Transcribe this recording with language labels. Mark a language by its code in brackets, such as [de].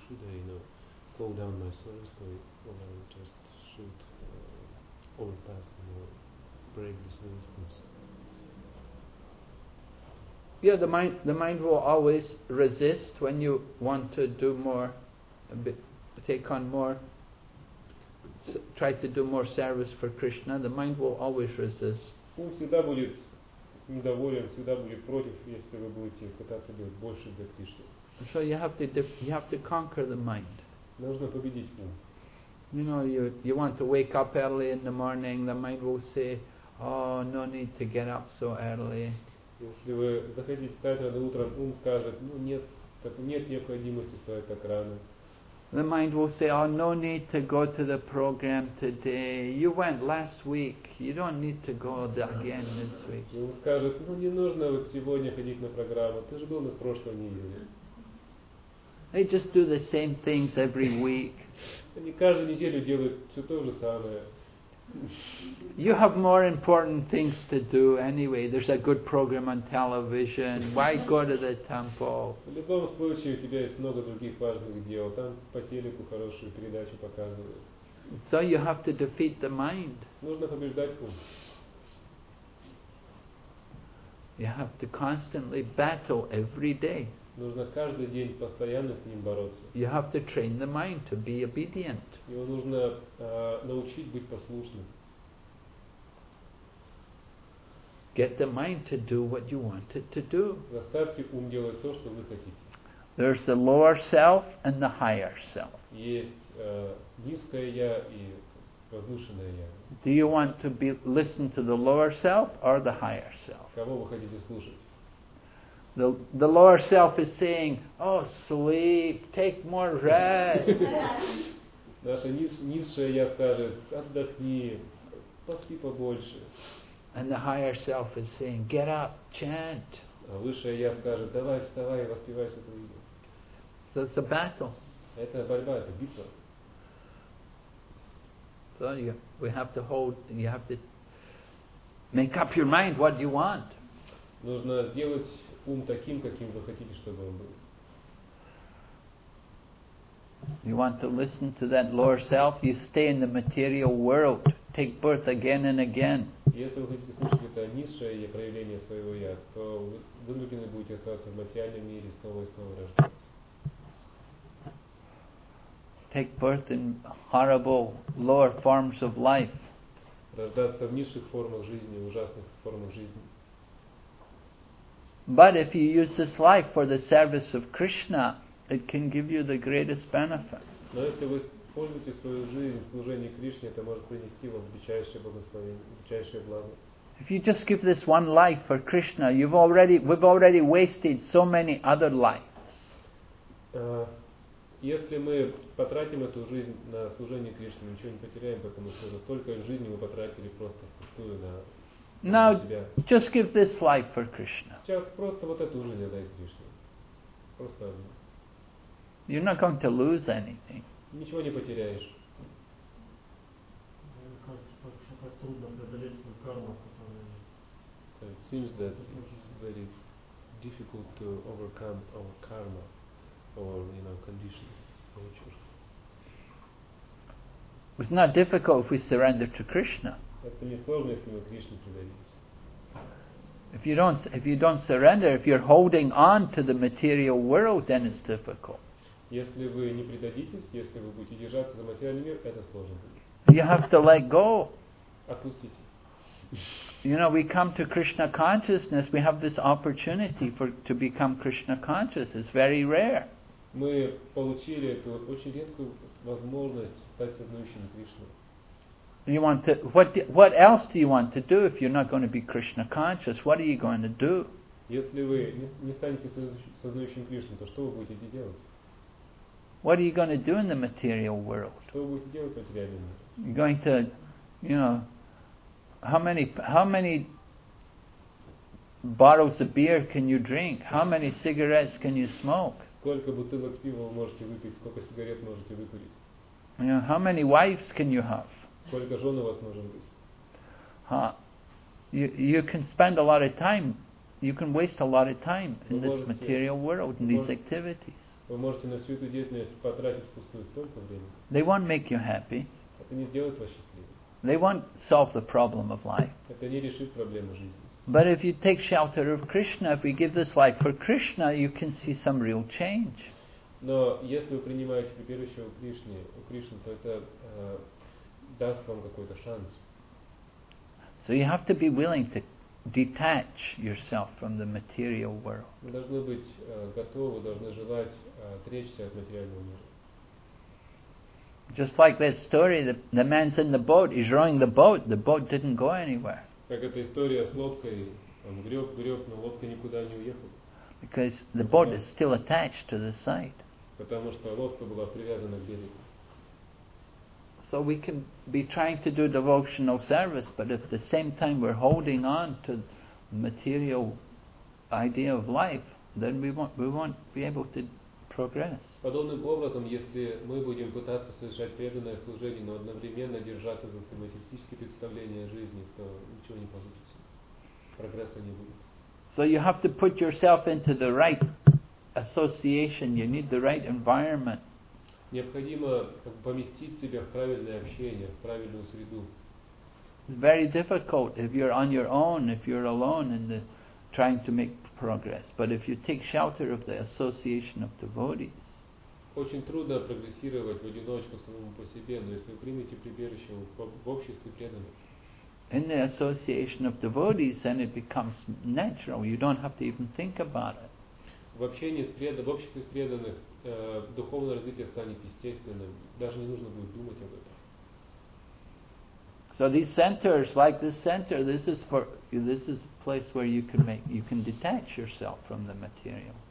[en] Should I, you know, slow down my service, or I just should overpass, you know, break this resistance? Yeah, the mind will always resist when you want to do more, take on more, try to do more service for Krishna. The mind will always resist. [ru] Он всегда будет недоволен, всегда будет против, если вы будете пытаться делать больше для Кришны. [en] So you have to conquer the mind. [ru] Нужно победить ум. [en] You know, you want to wake up early in the morning. The mind will say, "Oh, no need to get up so early." [ru] Если вы захотите встать рано утром, ум скажет, ну нет, так нет необходимости вставать так рано. [en] The mind will say, oh, no need to go to the program today. You went last week. You don't need to go again this week. [ru] Ум скажет, ну не нужно вот сегодня ходить на программу. Ты же был на прошлой неделе. [en] They just do the same things every week. [ru] Они каждую неделю делают все то же самое. [en] You have more important things to do anyway. There's a good program on television. Why go to the temple? [ru] В любом случае у тебя есть много других важных дел. Там по телеку хорошую передачу показывают. [en] So you have to defeat the mind. [ru] Нужно побеждать ум. [en] You have to constantly battle every day. [ru] Нужно каждый день постоянно с ним бороться. [en] You have to train the mind to be obedient. [ru] Его нужно научить быть послушным. [en] Get the mind to do what you want it to do. [ru] Заставьте ум делать то, что вы хотите. [en] There's the lower self and the higher self. [ru] Есть низкое я и возвышенное я. [en] Do you want to be listen to the lower self or the higher self? [ru] Кого вы хотите слушать? [en] The lower self is saying, oh, sleep, take more rest. [ru] Наше низшее я скажет, отдохни, поспи побольше. [en] And the higher self is saying, get up, chant. [ru] А высшее я скажет, давай, вставай, воспевай святое имя. [en] So it's a battle. [ru] Это борьба, это битва. [en] So you have to make up your mind what you want. [ru] Нужно сделать ум таким, каким вы хотите, чтобы он был. [en] You want to listen to that lower self, you stay in the material world, take birth again and again. [ru] Если вы хотите слушать это низшее проявление своего я, то вы вынуждены будете оставаться в материальном мире снова и снова рождаться. [en] Take birth in horrible lower forms of life. [ru] Рождаться в низших формах жизни, ужасных формах жизни. [en] But if you use this life for the service of Krishna, it can give you the greatest benefit. [ru] Но если вы используете свою жизнь в служении Кришне, это может принести вам величайшее благословение, величайшее благо. [en] If you just give this one life for Krishna, we've already wasted so many other lives. [ru] Если мы потратим эту жизнь на служение Кришне, ничего не потеряем, потому что за столько жизни мы потратили просто впустую на [en] Now, just give this life for Krishna. [ru] Сейчас просто вот эту жизнь отдай Кришне. Просто одну. [en] You're not going to lose anything. [ru] Ничего не потеряешь. Мне кажется, как трудно преодолеть свою карму, которая есть. [en] It seems that it's very difficult to overcome our karma, or you know, conditioned natures. It's not difficult if we surrender to Krishna. [ru] Это не сложно, если мы Кришне предадимся. [en] If you don't surrender, if you're holding on to the material world, then it's difficult. [ru] Если вы не предадитесь, если вы будете держаться за материальный мир, это сложно будет. [en] You have to let go. [ru] Отпустите. [en] You know, we come to Krishna consciousness. We have this opportunity to become Krishna conscious. It's very rare. [ru] Мы получили эту очень редкую возможность стать сознающим Кришной. [en] You want to what else do you want to do if you're not going to be Krishna conscious? What are you going to do? [ru] Если вы не станете сознающим Кришной, то что вы будете делать? [en] What are you going to do in the material world? [ru] Что вы будете делать в материальном мире? [en] You're going to, you know, how many bottles of beer can you drink? How many cigarettes can you smoke? [ru] Сколько бутылок пива вы можете выпить? Сколько сигарет можете выкурить? [en] You know, how many wives can you have? [ru] Сколько жен у вас может быть? [en] You can spend a lot of time, you can waste a lot of time in this material world, in these activities. [ru] Вы можете на всю эту деятельность потратить впустую столько времени. [en] They won't make you happy. [ru] Это не сделает вас счастливым. [en] They won't solve the problem of life. [ru] Это не решит проблему жизни. [en] But if you take shelter of Krishna, if we give this life for Krishna, you can see some real change. [ru] Но если вы принимаете прибежище у Кришны, то это даст вам какой-то шанс. [en] So you have to be willing to detach yourself from the material world. [ru] Вы должны быть готовы, должны желать отречься от материального мира. [en] Just like that story, the man's in the boat, he's rowing the boat didn't go anywhere. [ru] Как эта история с лодкой, он греб, но лодка никуда не уехала. [en] Because the boat is still attached to the side. [ru] Потому что лодка была привязана к берегу. [en] So we can be trying to do devotional service, but at the same time we're holding on to the material idea of life, then we won't be able to progress. [ru] Подобным образом, если мы будем пытаться совершать преданное служение, но одновременно держаться за материалистические представления о жизни, то ничего не получится. Прогресса не будет. [en] So you have to put yourself into the right association. You need the right environment. [ru] Необходимо поместить себя в правильное общение, в правильную среду. [en] It's very difficult if you're on your own, if you're alone and trying to make progress. But if you take shelter of the association of devotees. [ru] Очень трудно прогрессировать в одиночку самому по себе, но если вы примете прибежище в обществе преданных. [en] In the association of devotees, then it becomes natural. You don't have to even think about it. [ru] В общении с преданными, в обществе с преданных, духовное развитие станет естественным. Даже не нужно будет думать об этом. [en] So these centers, like this center, this is a place where you can detach yourself from the material.